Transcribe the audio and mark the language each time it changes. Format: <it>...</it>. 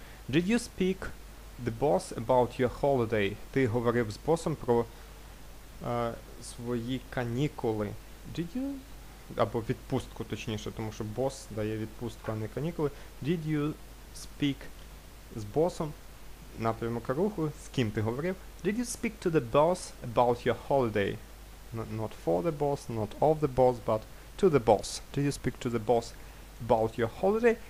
<en>Did you speak the boss about your holiday?</en> <uk>Ти говорив з босом про свої канікули.</uk> <en>Did you?</en> <uk>Або відпустку, точніше, тому що бос дає відпустку, а не канікули.</uk> <en>Did you speak</en> <uk>з босом? Напрямок руху, з ким ти говорив?</uk> <en>Did you speak to the boss about your holiday? Not for the boss, not of the boss, but to the boss. Did you speak to the boss about your holiday?</en>